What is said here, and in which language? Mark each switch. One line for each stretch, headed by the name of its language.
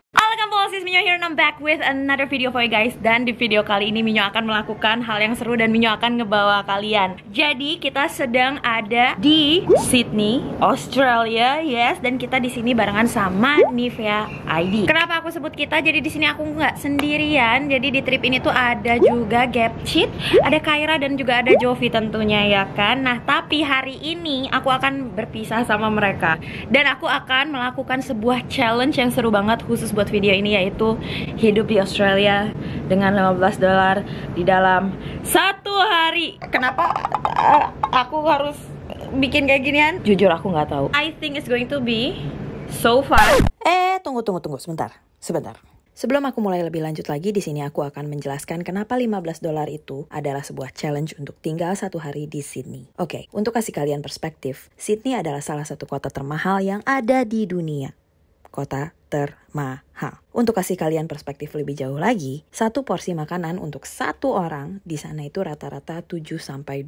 Indonesian: Halo kamu,
English: sis Minyo here, and I'm back with another video for you guys.
Indonesian: Dan di video kali ini Minyo akan melakukan hal yang seru dan Minyo akan ngebawa kalian. Jadi kita sedang ada di Sydney, Australia, yes. Dan kita di sini barengan sama Nivea ID. Kenapa aku sebut kita? Jadi di sini aku nggak sendirian. Jadi di trip ini tuh ada juga Gap Cheat, ada Kyra dan juga ada Jovi tentunya, ya kan. Nah tapi hari ini aku akan berpisah sama mereka dan aku akan melakukan sebuah challenge yang seru banget khusus buat video ini, yaitu hidup di Australia dengan $15 di dalam satu hari. Kenapa aku harus bikin kayak ginian? Jujur aku gak tahu.
English: I think it's going to be so fun.
Indonesian: Tunggu sebentar. Sebelum aku mulai lebih lanjut lagi, di sini aku akan menjelaskan kenapa $15 itu adalah sebuah challenge untuk tinggal satu hari di Sydney. Okay, untuk kasih kalian perspektif, Sydney adalah salah satu kota termahal yang ada di dunia. Kota termahal. Untuk kasih kalian perspektif lebih jauh lagi, satu porsi makanan untuk satu orang di sana itu rata-rata $7-$20.